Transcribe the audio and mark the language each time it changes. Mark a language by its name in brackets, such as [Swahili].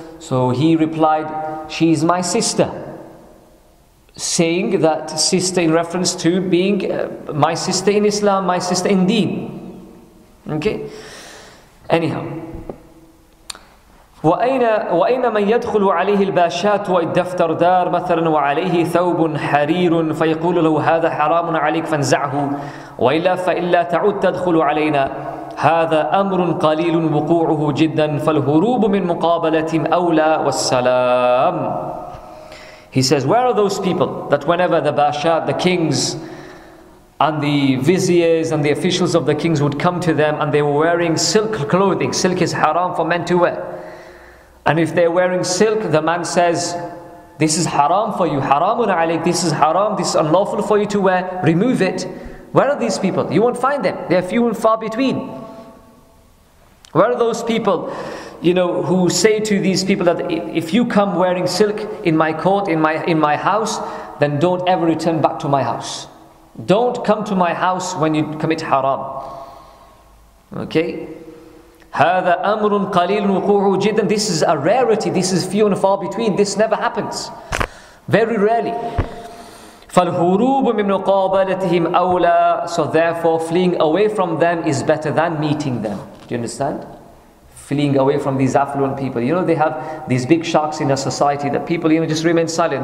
[English] So he replied, she is my sister. Saying that sister in reference to being my sister in Islam, my sister in deen. Okay? Anyhow. [Arabic] وأين من يدخل عليه الباشات والدفتر دار مثلا وعليه ثوب حرير فيقول له هذا حرام عليك فانزعه وإلا تعود تدخل علينا هذا أمر قليل وقوعه جدا فالهروب من مقابلة أولى والسلام. [English] He says, where are those people that whenever the bashat, the kings and the viziers and the officials of the kings would come to them and they were wearing silk clothing? Silk is haram for men to wear. And if they're wearing silk, the man says, this is haram for you, haramun alayk, this is haram, this is unlawful for you to wear, remove it. Where are these people? You won't find them. They're few and far between. Where are those people, you know, who say to these people that if you come wearing silk in my court, in my house, then don't ever return back to my house. Don't come to my house when you commit haram. Okay? [Arabic] هَذَا أَمْرٌ قَلِيلٌ وَقُوعُ جِدًا. [English] This is a rarity, this is few and far between, this never happens. Very rarely. [Arabic] فَالْهُرُوبُ مِنْ مُقَابَلَتِهِمْ أَوْلَى. [English] So therefore, fleeing away from them is better than meeting them. Do you understand? Fleeing away from these affluent people. You know, they have these big sharks in a society that people, you know, just remain silent.